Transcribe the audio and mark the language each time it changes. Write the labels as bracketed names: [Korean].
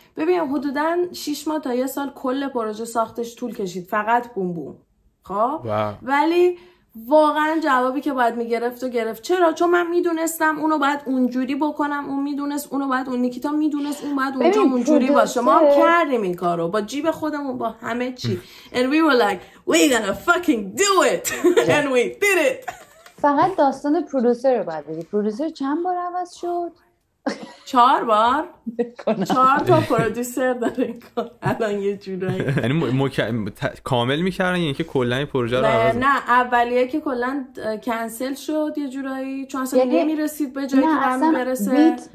[Persian] ببینیم حدوداً 6 ماه تا یه سال کل پروژه ساختش طول کشید فقط بوم بوم. خب ولی واقعا جوابی که باید میگرفت و گرفت. چرا؟ چون من میدونستم اونو باید اونجوری بکنم، اون میدونست اونو باید اون، نیکیتا میدونست اون باید اونجا اونجوری باشه. ما کردیم این کارو با جیب خودمون با همه چی. [English] And we were like we're gonna fucking do it. And we did it. [Persian] فقط داستان پرودوسر رو باید بگید. پرودوسر چند بار عوض شد؟ 4 بار. 4 تا پرودوسر داره این کار الان یه جورایی، یعنی کامل میکردن یعنی که کلا پروژه رو عوض. نه اولیه که کلا کنسل شد یه جورایی، چون اصلا نمیرسید به جایی که برمی برسه.